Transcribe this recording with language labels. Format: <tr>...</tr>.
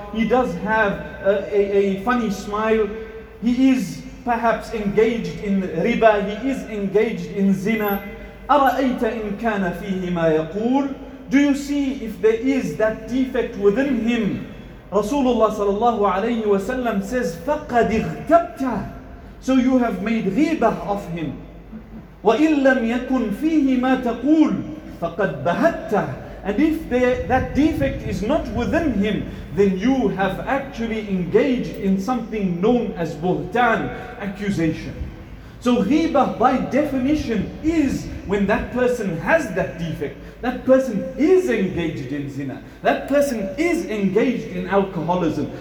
<en>He does have a funny smile. He is perhaps engaged in riba. He is engaged in zina.</en> <ar>أَرَأَيْتَ إِن كَانَ فِيهِ مَا يَقُولُ.</ar> <en>Do you see if there is that defect within him? Rasulullah sallallahu alayhi wa sallam says,</en> <ar>فَقَدِ اغْتَبْتَ.</ar> <en>So you have made ghibah of him.</en> <ar>وَإِن لَّمْ يَكُنْ فِيهِ مَا تَقُولُ فَقَدْ بَهَتَّهُ.</ar> <en>And if that defect is not within him, then you have actually engaged in something known as buhtan, accusation. So ghibah by definition is when that person has that defect. That person is engaged in zina. That person is engaged in alcoholism.</en>